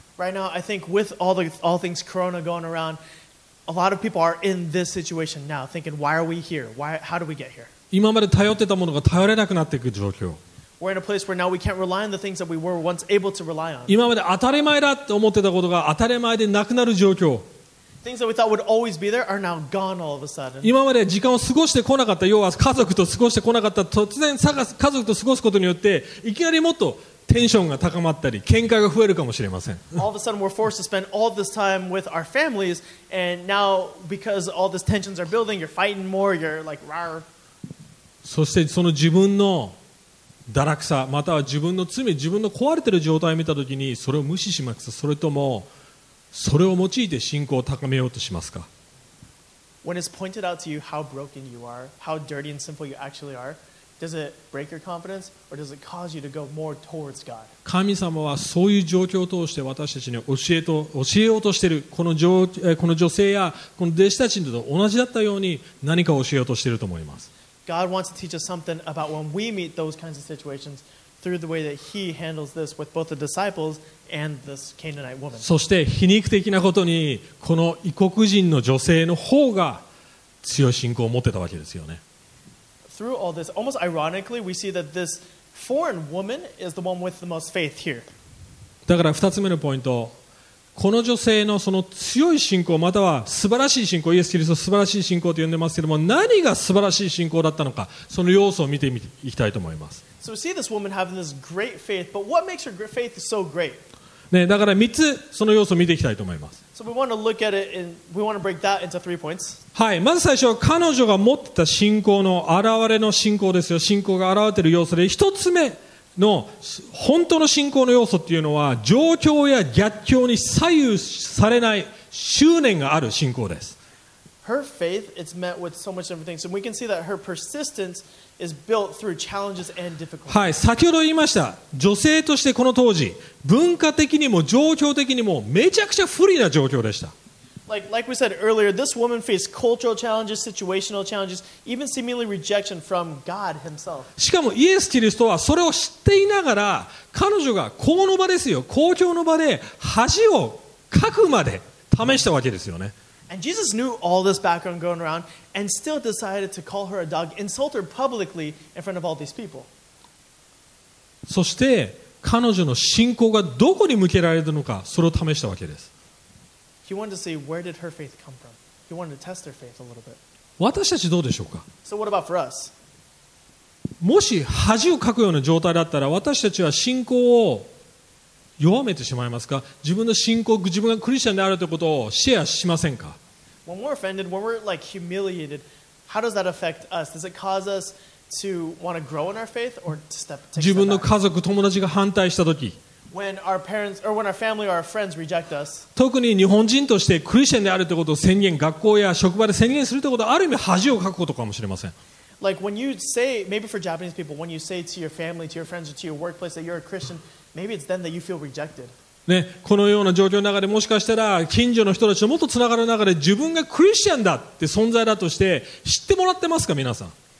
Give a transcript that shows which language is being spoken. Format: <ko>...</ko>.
<en>Right now, I think with all things corona going around, a lot of people are in this situation now, thinking, why are we here? How do we get here?</en> <ja>今まで頼ってたものが頼れなくなっていく状況。</ja> <en>We're in a place where now we can't rely on the things that we were once able to rely on.</en> <ja>今まで当たり前だと思ってたことが当たり前でなくなる状況。</ja> <en>Things that we thought would always be there are now gone all of a sudden.</en> <ja>今まで時間を過ごしてこなかった、要は家族と過ごしてこなかった、突然家族と過ごすことによって、いきなりもっとテンションが高まったり、喧嘩が増えるかもしれません。</ja> <en>All of a sudden we're forced to spend all this time with our families, and now because all these tensions are building, you're fighting more, you're like rawr.</en> <ja>そしてその自分の堕落さまたは自分の罪自分の壊れている状態を見たときにそれを無視しますかそれともそれを用いて信仰を高めようとしますか</ja> <en>When it's pointed out to you how broken you are how dirty and sinful you actually are does it break your confidence or does it cause you to go more towards God</en> <ja>神様はそういう状況を通して私たちに教えようとしているこの女性やこの弟子たちと同じだったように何かを教えようとしていると思います</ja> <en>God wants to teach us something about when we meet those kinds of situations through the way that He handles this with both the disciples and this Canaanite woman.</en> <ja>そして皮肉的なことにこの異国人の女性の方が強い信仰を持ってたわけですよね。</ja> <en>Through all this, almost ironically, we see that this foreign woman is the one with the most faith here.</en> <ja>だから二つ目のポイント。この女性のその強い信仰または素晴らしい信仰イエス・キリスト素晴らしい信仰と呼んでますけども何が素晴らしい信仰だったのかその要素を見ていきたいと思います、</ja> <en>so we see this woman having this great faith, but what makes her faith so great?</en> <ja>ね、だから3つその要素を見ていきたいと思います、</ja> <en>so、we want to look at it and we want to break that into three points.</en> <ja>はい、まず最初彼女が持ってた信仰の現れの信仰ですよ信仰が現れている要素で1つ目の本当の信仰の要素っていうのは状況や逆境に左右されない執念がある信仰です。</ja> <en>Her faith is met with so much different things, and we can see that her persistence is built through challenges and difficulties.</en> <ja>はい、先ほど言いました。女性としてこの当時、文化的にも状況的にもめちゃくちゃ不利な状況でした。</ja> <en>Like we said earlier, this woman faced cultural challenges, situational challenges, even seemingly rejection from God himself.</en> <ja>しかもイエス・キリストはそれを知っていながら彼女がこの場ですよ、公共の場で恥をかくまで試したわけですよね。</ja> <en>And Jesus knew all this background going around and still decided to call her a dog, insult her publicly in front of all these people.</en> <ja>そして彼女の信仰がどこに向けられるのかそれを試したわけです。</ja> <en>He wanted to see where did her faith come from. He wanted to test her faith a little bit.</en> <ja>私たちどうでしょうか?</ja> <en>So what about for us?</en> <ja>もし恥をかくような状態だったら、私たちは信仰を弱めてしまいますか? 自分の信仰、自分がクリスチャンであるということをシェアしませんか?</ja> <en>When we're offended, when we're like humiliated, how does that affect us? Does it cause us to want to grow in our faith or to step back?</en> <ja>自分の家族、友達が反対したとき。</ja> <en>When our parents or when our family or our friends reject us,</en> <ja>特に日本人としてクリスチャンであるということを宣言、学校や職場で宣言するということはある意味恥をかくことかもしれません。</ja> <en>Like when you say, maybe for Japanese people, when you say to your family, to your friends, or to your workplace that you're a Christian, maybe it's then that you feel rejected.</en> <ja>ね、このような状況の中でもしかしたら近所の人たちともっとつながる中で自分がクリスチャンだって存在だとして知ってもらってますか、皆さん。</ja>